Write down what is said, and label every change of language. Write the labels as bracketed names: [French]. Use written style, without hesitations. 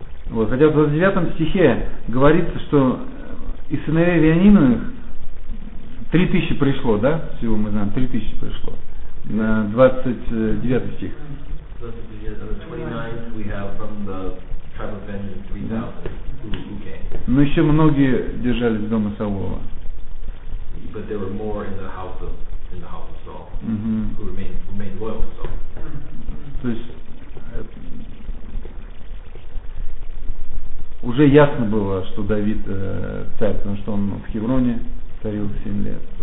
[Russian] Вот, хотя в 29 стихе говорится, что из сыновей Вениаминовых 3000 пришло, да? Всего мы знаем, 3000 пришло. На 29 стих. [English] 29, we have from the tribe of Benjamin 3000. Okay. [Russian] Но еще многие держались в доме Саула. [English] But there were more in the house of Saul, who remained loyal to Saul. [Russian] То есть уже ясно было, что Давид царь, потому что он в Хевроне царил 7 лет.